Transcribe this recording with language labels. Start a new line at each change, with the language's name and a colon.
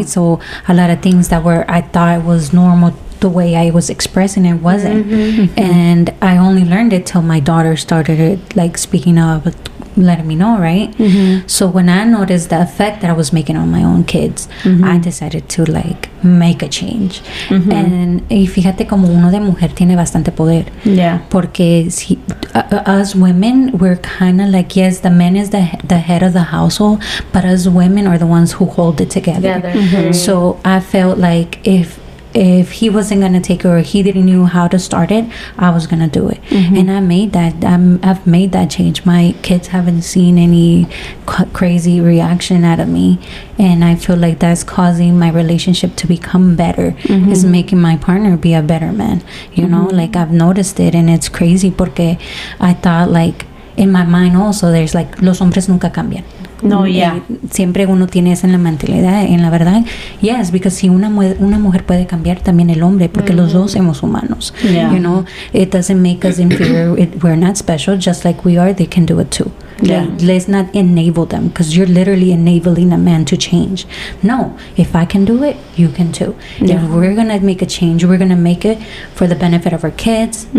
English: Yeah. So a lot of things that were, I thought was normal, the way I was expressing it wasn't. Mm-hmm. And I only learned it till my daughter started like speaking up, letting me know, right? Mm-hmm. So when I noticed the effect that I was making on my own kids, mm-hmm. I decided to like make a change. Mm-hmm.
Spanish: And y fíjate como uno de mujer tiene bastante poder.
English: Yeah.
Spanish: Porque si,
English: us women, we're kind of like, yes, the man is the head of the household, but us women are the ones who hold it together. Mm-hmm. So I felt like if he wasn't gonna take it or he didn't know how to start it, I was gonna do it. Mm-hmm. And I've made that change. My kids haven't seen any crazy reaction out of me, and I feel like that's causing my relationship to become better. Mm-hmm. It's making my partner be a better man, you mm-hmm. know, like, I've noticed it. And it's crazy porque I thought, like, in my mind also, there's like,
Spanish: los hombres nunca cambian.
English: No, yeah.
Spanish: Siempre uno tiene esa en la mentalidad. En la verdad,
English: yes, because
Spanish: si una mujer puede cambiar, también el hombre, porque mm-hmm. los dos somos humanos.
English: Yeah. You know, it doesn't make us inferior. We're not special. Just like we are, they can do it too. Yeah. Let's not enable them, because you're literally enabling a man to change. No, if I can do it, you can too. Yeah. If we're going to make a change, we're going to make it for the benefit of our kids, mm-hmm.